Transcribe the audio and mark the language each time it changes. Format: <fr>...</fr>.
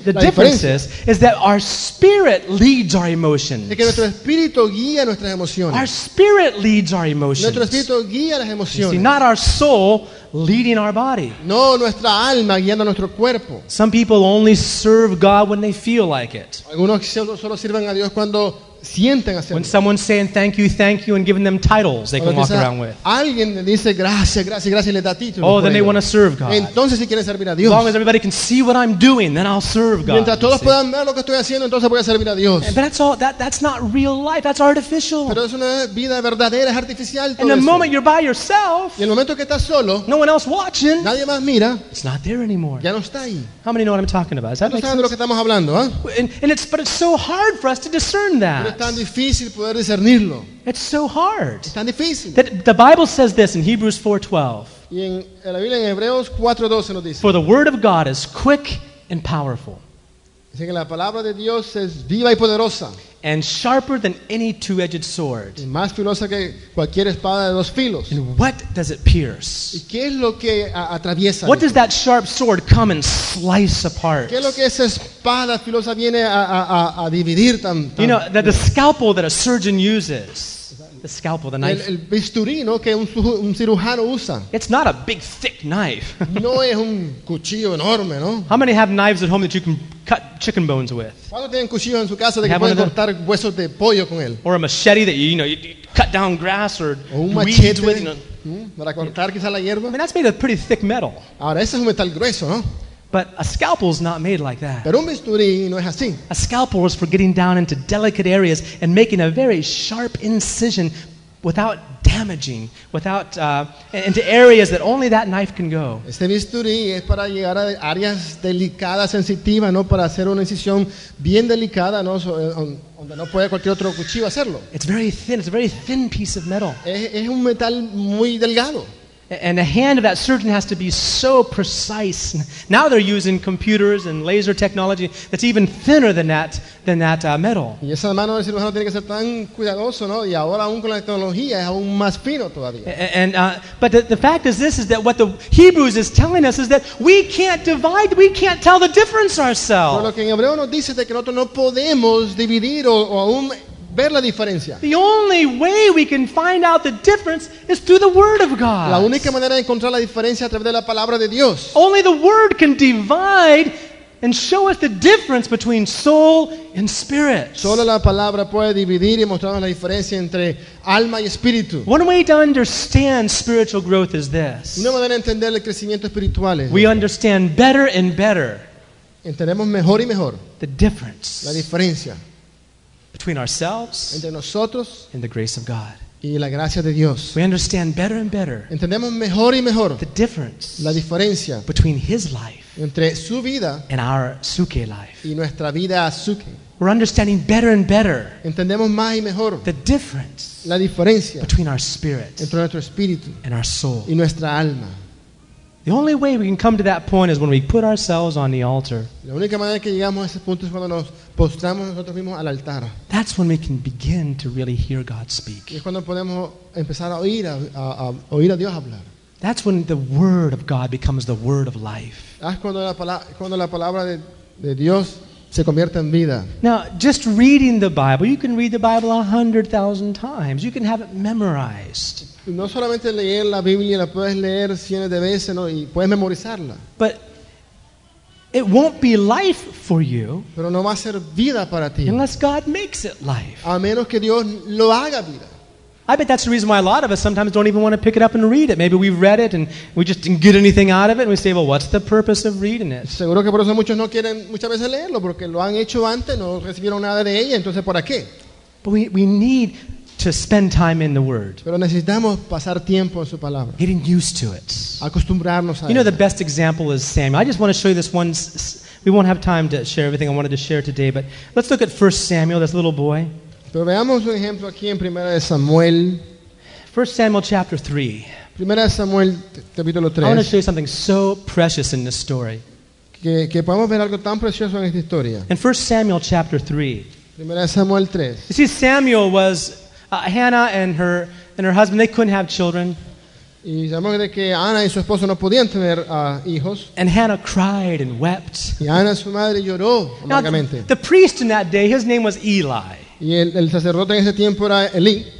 <en>The difference is that our spirit leads our emotions.</en> <es>Es que nuestro espíritu guía nuestras emociones.</es> <en>Our spirit leads our emotions.</en> <es>Nuestro espíritu guía las emociones.</es> <en>See, not our soul leading our body.</en> <es>No, nuestra alma guiando nuestro cuerpo.</es> <en>Some people only serve God when they feel like it.</en> <es>Algunos solo sirven a Dios cuando sienten hacerlo.</es> <en>When someone's saying thank you, and giving them titles they can walk around with.</en> <es>Alguien le dice gracias, gracias, gracias, y le da títulos.</es> <en>Oh, then they want to serve God.</en> <es>Entonces, si quieren servir a Dios.</es> <en>As long as everybody can see what I'm doing, then I'll serve God.</en> <es>Mientras todos puedan ver lo que estoy haciendo, entonces voy a servir a Dios.</es> <en>But that's all. That's not real life. That's artificial.</en> <es>Pero es una vida verdadera, es artificial.</es> <en>In the moment you're by yourself.</en> <es>Y el momento que estás solo.</es> <en>No one else watching.</en> <es>Nadie más mira.</es> <en>It's not there anymore.</en> <es>Ya no está ahí.</es> <en>How many know what I'm talking about? Is that</en> <es>sense? De lo que estamos hablando, ¿eh?</es> <en>But it's so hard for us to discern that.</en> <es>Es tan difícil poder discernirlo.</es> <en>It's so hard.</en> <es>Es tan difícil.</es> <en>The Bible says this in Hebrews 4:12.</en> <es>Y en la Biblia en Hebreos 4:12 nos dice.</es> <en>For the word of God is quick and powerful.</en> <es>Dice que la palabra de Dios es viva y poderosa.</es> <en>And sharper than any two-edged sword.</en> <es>Y más filosa que cualquier espada de dos filos.</es> <en>And what does it pierce?</en> <es>¿Y qué es lo que atraviesa?</es> <en>What does that sharp sword come and slice apart?</en> <es>¿Qué es lo que esa espada filosa viene a dividir tan?</es> <en>You know that the scalpel that a surgeon uses. The scalpel, the knife.</en> <es>El bisturí, ¿no? Que un cirujano usa.</es> <en>It's not a big, thick knife.</en> <es>No es un cuchillo enorme, ¿no?</es> <en>How many have knives at home that you can cut chicken bones with?</en> <es>¿Cuántos tienen cuchillo en su casa de que pueden cortar huesos de pollo con él?</es> <en>Or a machete that you cut down grass or weeds with.</en> <es>Para cortar quizá la hierba.</es> <en>I mean, that's made of pretty thick metal.</en> <es>Ahora, ese es un metal grueso, ¿no?</es> <en>But a scalpel is not made like that.</en> <es>Pero un bisturí no es así.</es> <en>A scalpel is for getting down into delicate areas and making a very sharp incision without damaging, into areas that only that knife can go.</en> <es>Este bisturí es para llegar a áreas delicadas, sensitivas, ¿no? Para hacer una incisión bien delicada, ¿no? Donde no puede cualquier otro cuchillo hacerlo.</es> <en>It's very thin. It's a very thin piece of metal.</en> <es>Es un metal muy delgado.</es> <en>And the hand of that surgeon has to be so precise. Now they're using computers and laser technology that's even thinner than that metal.</en> <es>Y esa mano del cirujano tiene que ser tan cuidadoso, ¿no? Y ahora aún con la tecnología es aún más fino todavía.</es> <en>But the fact is this, is that what the Hebrews is telling us is that we can't divide, we can't tell the difference ourselves.</en> <es>Pero lo que en Hebreo nos dice es que nosotros no podemos dividir o aún ver la diferencia.</es> <en>The only way we can find out the difference is through the word of God.</en> <es>La única manera de encontrar la diferencia a través de la palabra de Dios.</es> <en>Only the word can divide and show us the difference between soul and spirit.</en> <es>Solo la palabra puede dividir y mostrarnos la diferencia entre alma y espíritu.</es> <en>One way to understand spiritual growth is this.</en> <es>Una manera de entender el crecimiento espiritual es.</es> <en>We understand better and better.</en> <es>Entendemos mejor y mejor.</es> <en>The difference.</en> <es>La diferencia.</es> <en>Between ourselves</en> <es>entre nosotros</es> <en>and the grace of God.</en> <es>Y la gracia de Dios.</es> <en>We understand better and better.</en> <es>Entendemos mejor y mejor</es> <en>the difference</en> <es>la diferencia</es> <en>between his life</en> <es>entre su vida</es> <en>and our suke life.</en> <es>Y nuestra vida suke.</es> <en>We're understanding better and better</en> <es>entendemos más y mejor</es> <en>the difference</en> <es>la diferencia</es> <en>between our spirit</en> <es>entre nuestro espíritu</es> <en>and our soul.</en> <es>Y nuestra alma.</es> <en>The only way we can come to that point is when we put ourselves on the altar.</en> <es>La única manera que llegamos a ese punto es cuando nos postramos nosotros mismos al altar.</es> <en>That's when we can begin to really hear God speak.</en> <es>Es cuando podemos empezar a oír a Dios hablar.</es> <en>That's when the word of God becomes the word of life.</en> <es>Es cuando la palabra de Dios se convierte en vida.</es> <en>Now, just reading the Bible, you can read the Bible 100,000 times. You can have it memorized.</en> <es>No solamente leer la Biblia, la puedes leer cientos de veces, ¿no? Y puedes memorizarla.</es> <en>But it won't be life for you.</en> <es>Pero no va a ser vida para ti.</es> <en>Unless God makes it life.</en> <es>A menos que Dios lo haga vida.</es> <en>I bet that's the reason why a lot of us sometimes don't even want to pick it up and read it. Maybe we've read it and we just didn't get anything out of it. And we say, well, what's the purpose of reading it?</en> <es>Seguro que por eso muchos no quieren muchas veces leerlo, porque lo han hecho antes, no recibieron nada de ella, entonces ¿para qué?</es> <en>But we need to spend time in the Word.</en> <es>Pero necesitamos pasar tiempo en su palabra.</es> <en>Getting used to it.</en> <es>Acostumbrarnos a</es> <en>you know, the best example is Samuel. I just want to show you this one. We won't have time to share everything I wanted to share today, but let's look at 1 Samuel, this little boy.</en> <es>Pero veamos un ejemplo aquí en Primera de Samuel.</es> <en>1 Samuel chapter 3.</en> <es>Primera de Samuel capítulo 3.</es> <en>I want to show you something so precious in this story.</en> <es>Que podemos ver algo tan precioso en esta historia.</es> <en>In 1 Samuel chapter 3.</en> <es>Primera de Samuel 3.</es> <en>You see, Samuel was Hannah and her husband, they couldn't have children.</en> <es>Y sabemos de que Ana y su esposo no podían tener hijos.</es> <en>And Hannah cried and wept.</en> <es>Y Ana, su madre, lloró amargamente.</es> <en>The priest in that day, his name was Eli.</en> <es>Y el sacerdote en ese tiempo era Eli.</es>